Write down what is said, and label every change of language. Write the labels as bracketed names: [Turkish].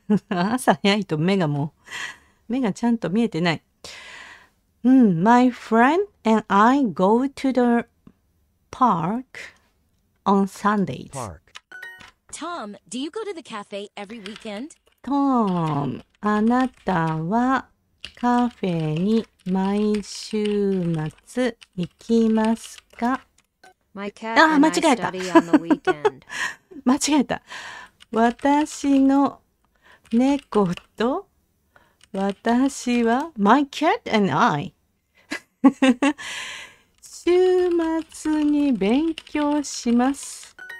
[Japanese] 朝早いと目がちゃんと見えてない。 [English] My friend and I go to thePark on Sundays. Park. Tom, do you go to the cafe every weekend? [Japanese] Tom, あなたはカフェに毎週末行きますか? [English] My cat and I study on the weekend. [Japanese] 間違えた。私の猫と私は [English] My cat and I [Japanese] 週末に勉強します。